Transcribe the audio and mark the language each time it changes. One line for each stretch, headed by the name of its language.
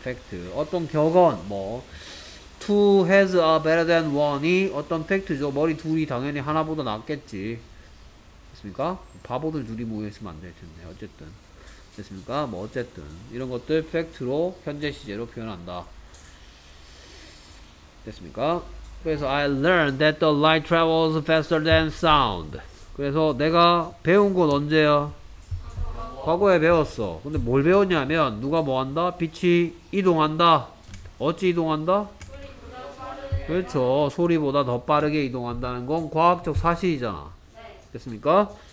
Korean: 팩트. 어떤 격언, 뭐
English: two heads are better than one
Korean: 이 어떤 팩트죠. 머리 둘이 당연히 하나보다 낫겠지. 됐습니까? 바보들 둘이 모여있으면 안 되겠네. 어쨌든. 됐습니까? 뭐, 어쨌든. 이런 것들 팩트로 현재 시제로 표현한다. 됐습니까?
English: 그래서 I learned that the light travels faster than sound.
Korean: 그래서 내가 배운 건 언제야? 과거에 배웠어. 근데 뭘 배웠냐면, 누가 뭐 한다? 빛이 이동한다. 어찌 이동한다? 그렇죠. 소리보다 더 빠르게 이동한다는 건 과학적 사실이잖아. 됐습니까?